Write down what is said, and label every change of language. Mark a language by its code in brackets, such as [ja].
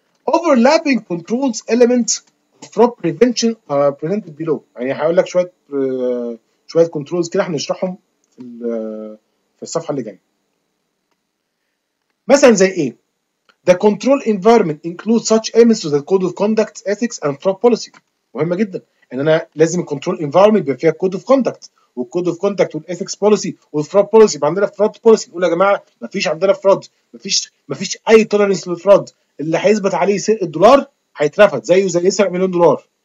[en] Overlapping controls elements of fraud prevention are presented below. [ar] يعني هقول لك شوية controls كده هنشرحهم في الصفحة اللي جاية. مثلا زي ايه؟ [en] The control environment includes such elements as the code of conduct, ethics and fraud policy. [ar] مهمة جدا ان انا لازم control environment بيبقى فيها code of conduct، والكود اوف كونتاكت والإثكس بوليسي والفراد بوليسي. يبقى عندنا فراد بوليسي، نقول يا جماعه مفيش عندنا فراد، مفيش اي توليرنس للفراد، اللي هيثبت عليه سرق الدولار هيترفض زيه زي يسرق مليون دولار.